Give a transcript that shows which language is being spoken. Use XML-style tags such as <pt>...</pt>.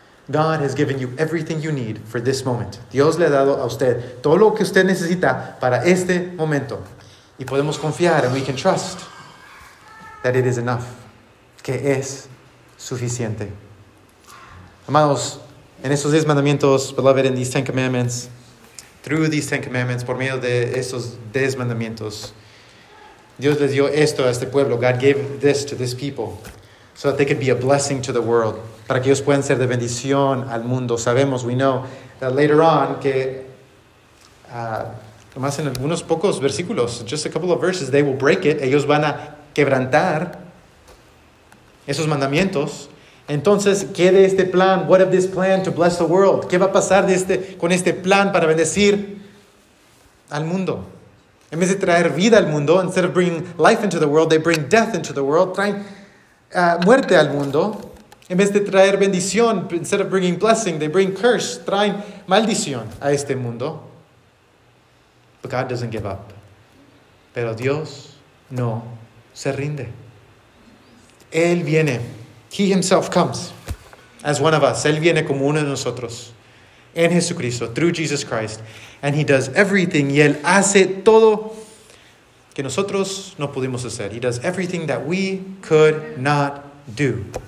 <en>God has given you everything you need for this moment.</en> <es>Dios le ha dado a usted todo lo que usted necesita para este momento. Y podemos confiar,</es> <en>and we can trust that it is enough.</en> <es>Que es suficiente. Amados, en estos 10 mandamientos,</es> <en>beloved, in these 10 commandments,</en> <es>through these 10 commandments, por medio de estos 10 mandamientos, Dios les dio esto a este pueblo.</es> <en>God gave this to this people so that they could be a blessing to the world.</en> <es>Para que ellos puedan ser de bendición al mundo. Sabemos,</es> <en>we know, that later on,</en> <es>que más en algunos pocos versículos,</es> <en>just a couple of verses, they will break it.</en> <es>Ellos van a quebrantar esos mandamientos. Entonces, ¿qué de este plan?</es> <en>What of this plan to bless the world?</en> <es>¿Qué va a pasar con este plan para bendecir al mundo? En vez de traer vida al mundo,</es> <en>instead of bringing life into the world, they bring death into the world.</en> <es>Traen muerte al mundo. En vez de traer bendición,</es> <en>instead of bringing blessing, they bring curse,</en> <es>traen maldición a este mundo.</es> <en>But God doesn't give up.</en> <es>Pero Dios no se rinde. Él viene.</es> <en>He himself comes as one of us.</en> <es>Él viene como uno de nosotros. En Jesucristo,</es> <en>through Jesus Christ. And he does everything.</en> <es>Y él hace todo que nosotros no pudimos hacer.</es> <en>He does everything that we could not do.</en>